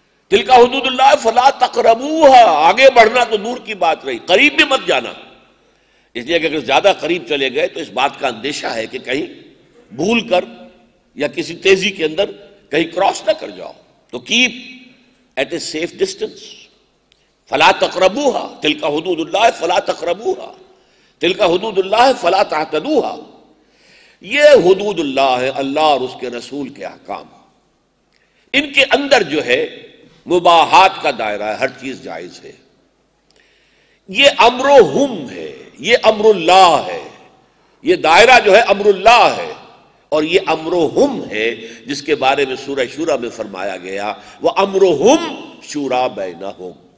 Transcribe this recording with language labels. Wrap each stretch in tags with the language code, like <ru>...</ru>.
<ar>تلک حدود اللہ فلا تقربوها,</ar> <ur>آگے بڑھنا تو دور کی بات رہی, قریب بھی مت جانا. اس لیے کہ اگر زیادہ قریب چلے گئے تو اس بات کا اندیشہ ہے کہ کہیں بھول کر یا کسی تیزی کے اندر کہیں کراس نہ کر جاؤ.</ur> <en>تو keep at a safe distance.</en> <ar>فلا تقربوها, تلک حدود اللہ فلا تقربوها, تلک حدود اللہ فلا تعتدوها.</ar> <ur>یہ حدود اللہ ہے, اللہ اور اس کے رسول کے احکام. ان کے اندر جو ہے مباحات کا دائرہ ہے, ہر چیز جائز ہے. یہ امرہم ہے, یہ امر اللہ ہے, یہ دائرہ جو ہے امر اللہ ہے, اور یہ امرہم ہے جس کے بارے میں سورہ شورا میں فرمایا گیا, وہ</ur> <ar>امرہم شورا بینہم.</ar>